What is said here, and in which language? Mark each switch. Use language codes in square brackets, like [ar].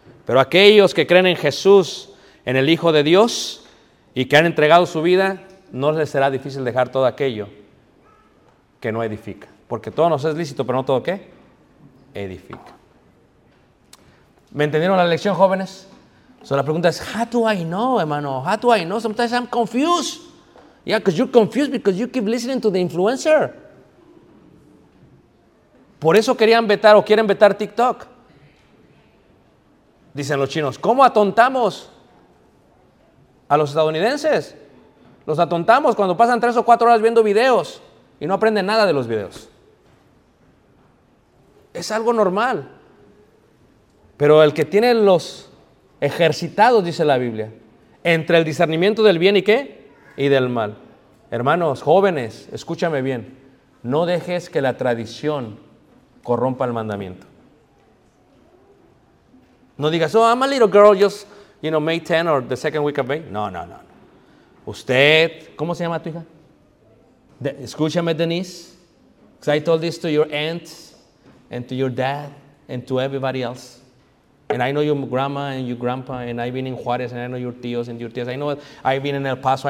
[es] Pero aquellos que creen en Jesús, en el Hijo de Dios, y que han entregado su vida, no les será difícil dejar todo aquello que no edifica. Porque todo nos es lícito, pero no todo ¿qué? Edifica. ¿Me entendieron la lección, jóvenes? [en] So [es] la pregunta es, [en] how do I know, hermano? How do I know? Sometimes I'm confused. Yeah, because you're confused because you keep listening to the influencer. [es] Por eso querían vetar o quieren vetar TikTok. Dicen los chinos, ¿cómo atontamos a los estadounidenses? Los atontamos cuando pasan 3 o 4 horas viendo videos y no aprenden nada de los videos. Es algo normal. Pero el que tiene los ejercitados, dice la Biblia, entre el discernimiento del bien y qué, y del mal. Hermanos, jóvenes, escúchame bien, no dejes que la tradición corrompa el mandamiento. No digas, [en] oh, I'm a little girl, just, you know, May 10 or the second week of May. [es] No. Usted, ¿cómo se llama tu hija? Escúchame, [en] Denise, because I told this to your aunt and to your dad and to everybody else. And I know your grandma and your grandpa, and I've been in Juarez, and I know your tíos and your tías. I know I've been in El Paso.